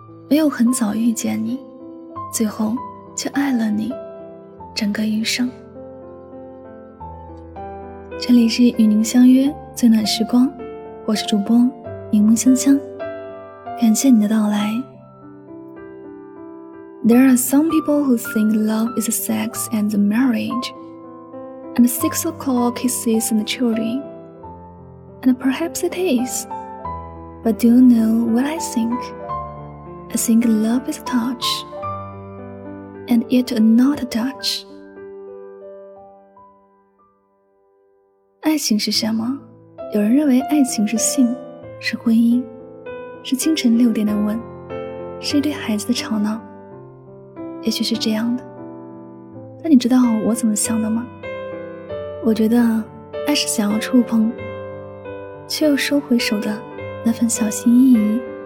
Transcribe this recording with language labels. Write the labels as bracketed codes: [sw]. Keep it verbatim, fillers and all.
[zh] 没有很早遇见你，最后却爱了你整个余生。这里是与您相约最暖时光，我是主播柠檬香香，感谢你的到来。 [en] There are some people who think love is sex and marriage and six o'clock kisses and children, and perhaps it is. But do you know what I think? I think love is a touch, and yet not a touch. [zh] 爱情是什么？有人认为爱情是性，是婚姻，是清晨六点的吻，是一对孩子的吵闹。也许是这样的，但你知道我怎么想的吗？我觉得爱是想要触碰却又收回手的那份小心翼翼。